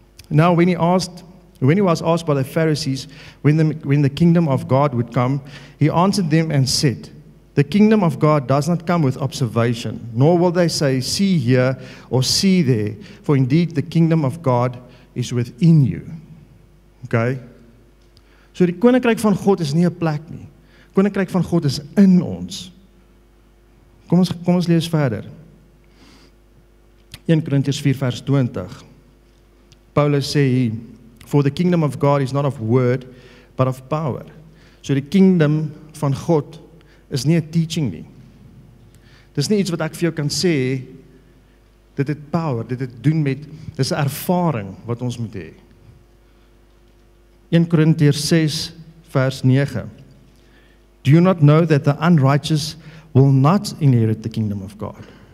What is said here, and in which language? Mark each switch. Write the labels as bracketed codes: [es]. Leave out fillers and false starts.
[en] Now when he was asked by the Pharisees when the kingdom of God would come, he answered them and said, the kingdom of God does not come with observation, nor will they say, see here or see there, for indeed the kingdom of God is within you. Okay? [af] So die koninkryk van God is nie 'n plek nie. Koninkryk van God is in ons. Kom ons lees verder. 1 Korintiërs 4 vers 20. Paulus sê, [en] for the kingdom of God is not of word, but of power. [af] So die kingdom van God is nie 'n teaching nie. Dis nie iets wat ek vir jou kan sê, dit het power, dit het doen met, dis 'n ervaring wat ons moet hê. 1 Korintiërs 6 vers 9. [en] Do you not know that the unrighteous will not inherit the kingdom of God?